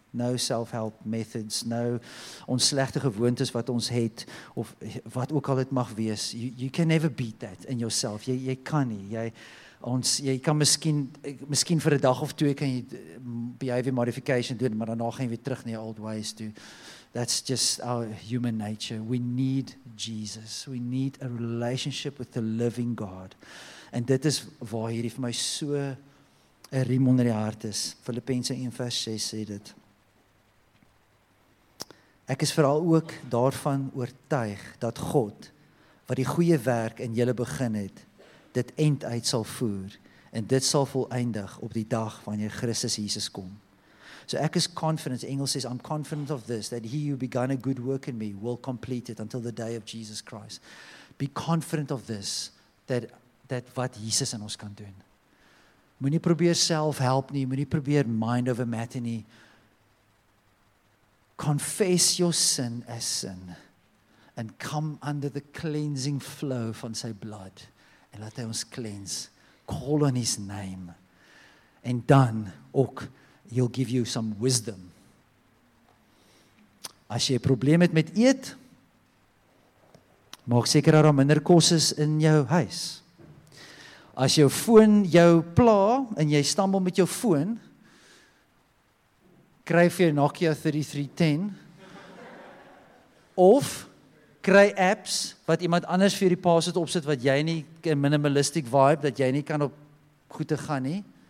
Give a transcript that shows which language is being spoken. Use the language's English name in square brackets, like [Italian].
[English] No self-help methods, no [Afrikaans] ons slegte gewoontes wat ons het, of wat ook al het mag wees. [English] You can never beat that in yourself. [Afrikaans] Jy kan nie. Jy kan miskien vir 'n dag of twee kan jy behavior modification doen, maar daarna gaan jy weer terug na die [English] old ways [Afrikaans] toe. [English] That's just our human nature. We need Jesus. We need a relationship with the living God. [Afrikaans] En dit is waar hierdie vir my so 'n riem onder die hart is. Filippense 1:6 sê dit. Ek is veral ook daarvan oortuig dat God, wat die goeie werk in julle begin het, dit eind uit sal voer. En dit sal volëindig op die dag wanneer Christus Jesus kom. So ek is [English] confident, Engels says, I'm confident of this, that he who begun a good work in me will complete it until the day of Jesus Christ. Be confident of this, that [Afrikaans] wat Jesus in ons kan doen. Moenie probeer self-help nie, moenie probeer mind over matter nie. [English] Confess your sin as sin and come under the cleansing flow [Afrikaans] van sy [English] blood [Afrikaans] en laat hy ons [English] cleanse. Call on his name and [Afrikaans] dan ook [English] he'll give you some wisdom. [Afrikaans] As jy 'n probleem het met eet, maak seker dat daar minder kos is in jou huis. As jou foon jou pla en jy stambel met jou foon, kry vir jou Nokia 3310 of kry apps wat iemand anders vir die pas het opsit wat jy nie in minimalistic vibe, dat jy nie kan op goed te gaan nie.